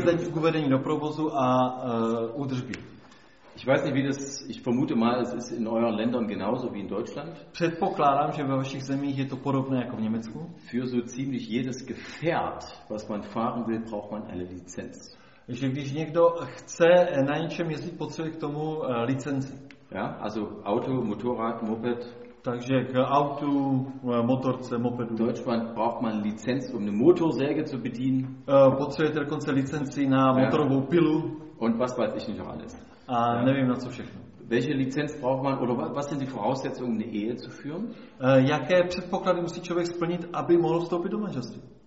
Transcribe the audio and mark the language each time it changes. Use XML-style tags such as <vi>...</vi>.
<cs>K uvedení do provozu a údržbě.</cs> <de>Ich weiß nicht, wie das, ich vermute mal, es ist in euren Ländern genauso wie in Deutschland.</de> <cs>Předpokládám, že ve vašich zemích je to podobné jako v Německu.</cs> <de>Für so ziemlich jedes Gefährt, was man fahren will, braucht man eine Lizenz.</de> <cs>Že když někdo chce na něčem jezdit, potřebuje k tomu licenci.</cs> <de>Ja, also Auto, Motorrad, Moped.</de> <cs>Takže k autu, motorce, mopedu.</cs> <de>In Deutschland braucht man Lizenz, um eine Motorsäge zu bedienen.</de> <cs>Potřebujete dokonce licenci na motorovou pilu.</cs> <de>Und was weiß ich nicht noch alles.</de> <cs>A nevím na co všechno.</cs> <de>Welche Lizenz braucht man oder was sind die Voraussetzungen eine Ehe zu führen?</de> <cs>Jaké předpoklady musí člověk splnit, aby mohl vstoupit do manželství?</cs>